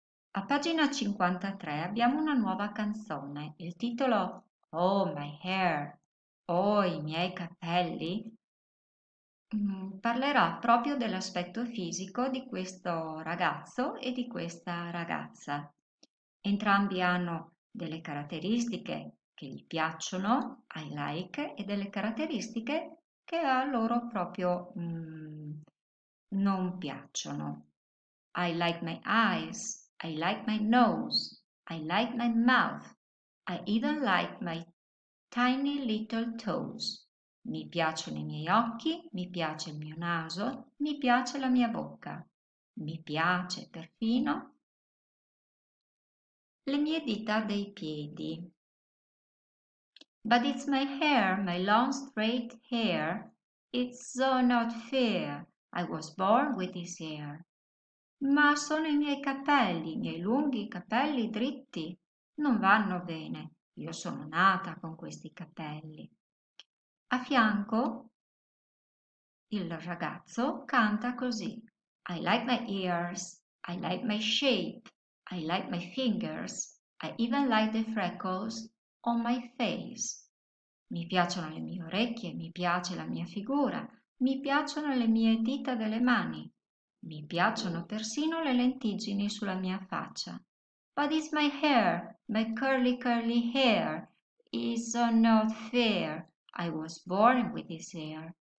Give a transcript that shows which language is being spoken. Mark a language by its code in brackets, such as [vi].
[it] A pagina 53 abbiamo una nuova canzone, il titolo Oh My Hair, Oh I miei capelli, parlerà proprio dell'aspetto fisico di questo ragazzo e di questa ragazza. Entrambi hanno delle caratteristiche che gli piacciono, [en] I like, [it] e delle caratteristiche che a loro proprio non piacciono. [en] I like my eyes, I like my nose, I like my mouth, I even like my tiny little toes. [it] Mi piacciono i miei occhi, mi piace il mio naso, mi piace la mia bocca, mi piace perfino le mie dita dei piedi. [en] But it's my hair, my long straight hair. It's so not fair. I was born with this hair. [it] Ma sono i miei lunghi capelli dritti. Non vanno bene. Io sono nata con questi capelli. A fianco il ragazzo canta così. [en] I like my ears. I like my shape. I like my fingers. I even like the freckles on my face. [it] Mi piacciono le mie orecchie, mi piace la mia figura, mi piacciono le mie dita delle mani, mi piacciono persino le lentiggini sulla mia faccia. [en] But it's my hair, my curly curly hair, is not fair, I was born with this hair.